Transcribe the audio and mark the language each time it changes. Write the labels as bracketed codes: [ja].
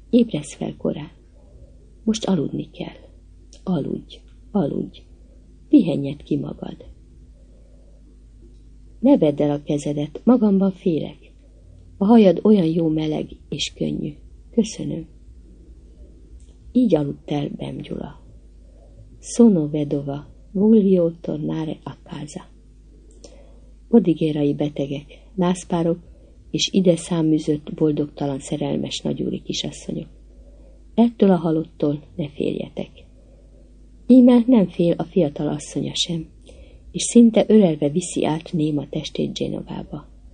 [hu] Ébresz fel korán. Most aludni kell. Aludj, aludj. Pihenjed ki magad. Ne vedd el a kezedet, magamban félek. A hajad olyan jó meleg és könnyű. Köszönöm. Így aludt el Bem Gyula. [it] Sono vedova, voglio tornare a casa. [hu] Odigérai betegek, nászpárok és ide száműzött boldogtalan szerelmes nagyúri kisasszonyok. Ettől a halottól ne féljetek. Íme nem fél a fiatal asszonya sem, és szinte ölelve viszi át néma testét Genovába.